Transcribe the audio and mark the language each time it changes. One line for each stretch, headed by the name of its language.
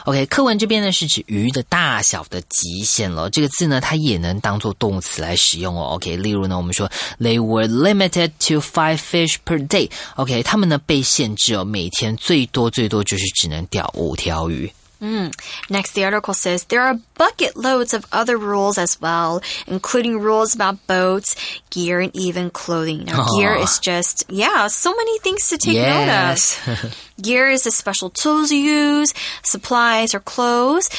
Chinese: OK， 课文这边呢是指鱼的大小的极限了。这个字呢，它也能当作动词来使用哦。
English: OK，
Chinese: 例如呢，我们说
English: They were limited to 5 fish per day.
Chinese: OK， 他们呢被限制哦，每天最多最多就是只能钓五条鱼。
English: Next, the article says there are bucket loads of other rules as well, including rules about boats, gear, and even clothing. Now, gear is just, so many things to take note of. Gear is the special tools you use, supplies, or clothes.